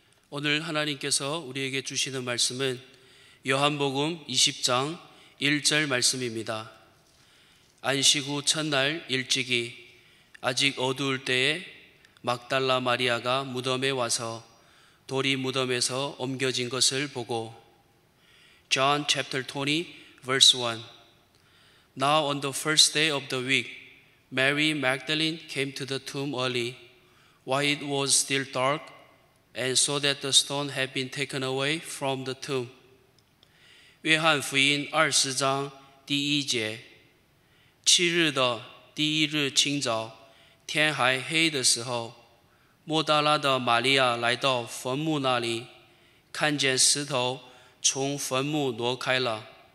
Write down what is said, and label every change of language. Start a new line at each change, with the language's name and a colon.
Korean: 오늘 하나님께서 우리에게 주시는 말씀은 요한복음 20장 1절 말씀입니다. 안식 후 첫날 일찍이 아직 어두울 때에 막달라 마리아가 무덤에 와서 돌이 무덤에서 옮겨진 것을 보고.
English: John chapter 20 verse 1. Now on the first day of the week, Mary Magdalene came to the tomb early, while it was still dark, and saw that the stone had been taken away from the tomb.
Chinese: 约翰福音 20장 第一节. 7日的第一日清早，天还黑的时候， 莫大拉的玛利亚来到坟墓那里，看见石头从坟墓挪开了。